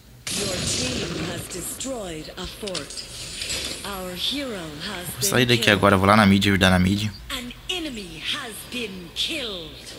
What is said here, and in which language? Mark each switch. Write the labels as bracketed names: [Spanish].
[English] Your team has destroyed a fort. Our hero has been. [Portuguese] Vou sair daqui agora, vou lá na mid e ajudar na mid. [English] An enemy has been killed.